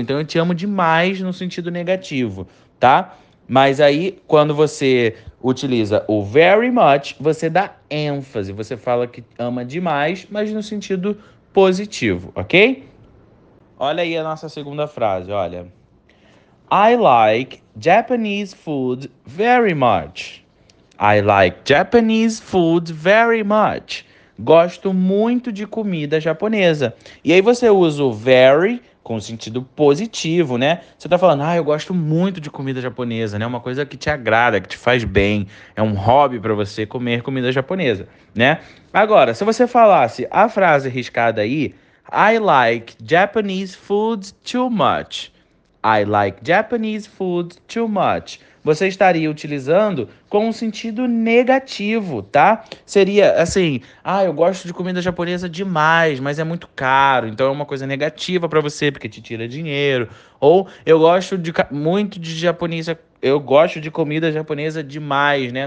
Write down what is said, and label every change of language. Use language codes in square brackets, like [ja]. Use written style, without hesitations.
[pt] Então eu te amo demais no sentido negativo, tá? Mas aí, quando você utiliza o very much, você dá ênfase, você fala que ama demais, mas no sentido positivo, ok? Olha aí a nossa segunda frase, olha. [en] I like Japanese food very much. I like Japanese food very much. [pt] Gosto muito de comida japonesa. E aí você usa o very com sentido positivo, né? Você tá falando, ah, eu gosto muito de comida japonesa, né? Uma coisa que te agrada, que te faz bem, é um hobby para você comer comida japonesa, né? Agora, se você falasse a frase riscada aí, [en] I like Japanese food too much. I like Japanese food too much. [pt] Você estaria utilizando com um sentido negativo, tá? Seria assim: ah, eu gosto de comida japonesa demais, mas é muito caro, então é uma coisa negativa para você, porque te tira dinheiro. Ou eu gosto muito de japonesa, eu gosto de comida japonesa demais, né?